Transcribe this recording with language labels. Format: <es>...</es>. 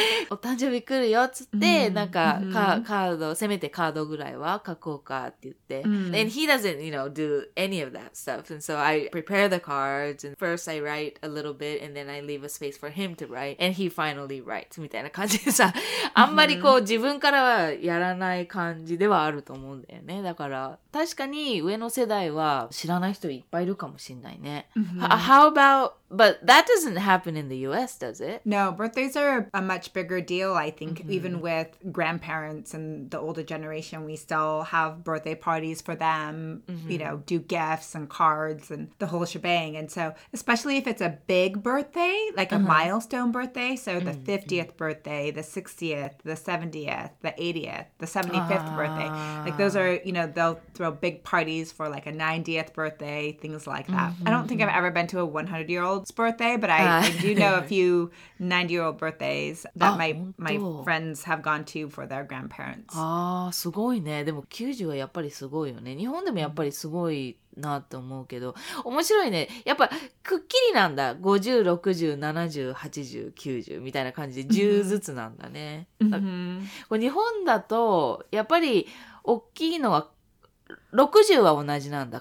<ja>お誕生日来るよっつって、なんか、カード、せめてカードぐらいは書こうかって言って。</ja> <en>And he doesn't, you know, do any of that stuff. And so I prepare the cards, and first I write a little bit, and then I leave a space for him to write, and he finally writes, みたいな感じでさ、あんまりこう自分からはやらない感じではあると思うんだよね。</en> <ja>だから、確かに上の世代は知らない人いっぱいいるかもしれないね。 How about</ja> <en>But that doesn't happen in the US, does it? No, birthdays are a much bigger deal, I think. Mm-hmm. Even with grandparents and the older generation, we still have birthday parties for them, mm-hmm. you know, do gifts and cards and the whole shebang. And so, especially if it's a big birthday, like uh-huh. a milestone birthday, so the mm-hmm. 50th birthday, the 60th, the 70th, the 80th, the 75th birthday. Like those are, you know, they'll throw big parties for like a 90th birthday, things like that. Mm-hmm. I don't think I've ever been to a 100-year-old birthday, but I do know a few 90-year-old birthdays that my friends have gone to for their grandparents.</en> <ja>Ah, すごいね。でも90はやっぱりすごいよね。日本でもやっぱりすごいなと思うけど、面白いね。やっぱくっきりなんだ。50、60、70、80、90みたいな感じで10ずつなんだね。これ日本だとやっぱり大きいのは60は同じなんだ。</ja>